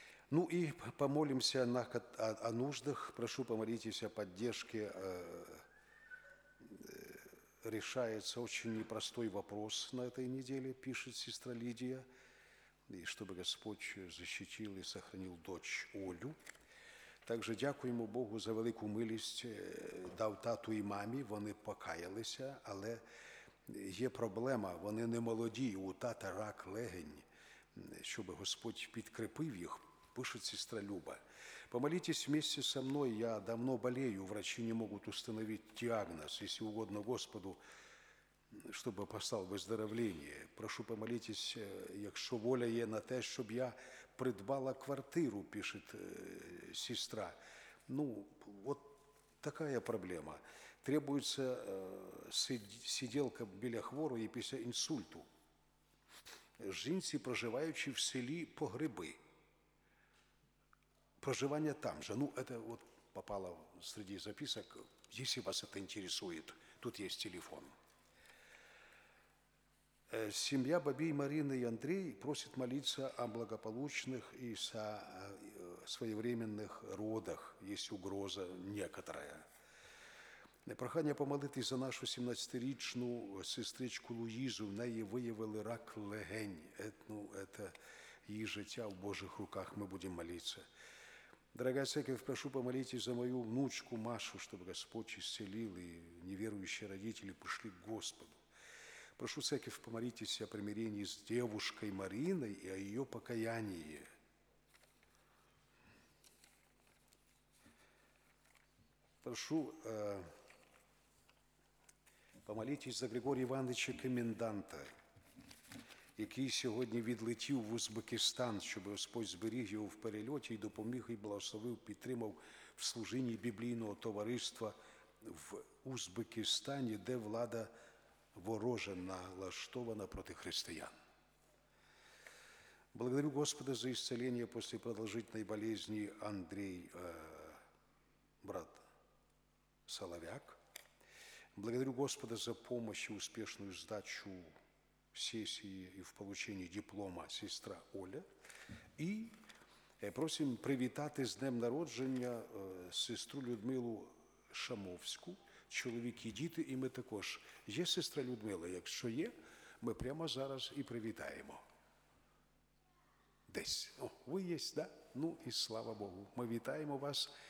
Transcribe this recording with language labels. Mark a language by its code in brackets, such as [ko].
[ru] Ну и помолимся о нуждах. Прошу, помолитесь о поддержке. Решается очень непростой вопрос на этой неделе, пишет сестра Лидия. И чтобы Господь защитил и сохранил дочь Олю. [uk] Также дякуємо Богу за велику милість, дав тату і мамі, вони покаялися, але є проблема, вони не молоді, у тата рак легень, щоб Господь підкріпив їх, [ru] пишет сестра Люба. Помолитесь вместе со мной, я давно болею, врачи не могут установить диагноз, если угодно Господу, чтобы послал выздоровление. Прошу помолитесь, [uk] якщо воля є на те, щоб я придбала квартиру, [ru] пишет сестра. Ну, вот такая проблема. Требуется сиделка [uk] біля хворої після інсульту. Жінці, проживаючи в селі Погриби. [ru] Проживание там же. Ну, это вот попало среди записок. Если вас это интересует, тут есть телефон. Семья Бабей Марины и Андрей просит молиться о благополучных и своевременных родах. Есть угроза некоторая. [uk] Прохание помолитись за нашу 17-річну сестричку Луїзу. В неї виявили рак легень. [ru] Ну, это [uk] її життя в Божих руках. Ми будемо молитися. [ru] Дорогая церковь, прошу помолитесь за мою внучку Машу, чтобы Господь исцелил, и неверующие родители пришли к Господу. Прошу церковь, помолитесь о примирении с девушкой Мариной и о ее покаянии. Прошу помолитесь за Григория Ивановича коменданта, [uk] який сьогодні відлетів в Узбекистан, щоб Господь зберіг його в перельоті і допоміг, і благословив, підтримав в служінні біблійного товариства в Узбекистані, де влада вороже налаштована проти християн. [ru] Благодарю Господа за исцеление [uk] після продовжительної [ru] болезни Андрій, брат Соловяк. Благодарю Господа за помощь и успешную сдачу в сессии и в получении диплома сестра Оля. И просим [uk] привітати [ru] с днем [uk] народження сестру Людмилу Шамовську, чоловік і діти, [ru] и мы [uk] також. Є сестра Людмила, якщо є, ми прямо зараз і привітаємо. Десь. О, ви є, да? Ну і слава Богу. Ми вітаємо вас.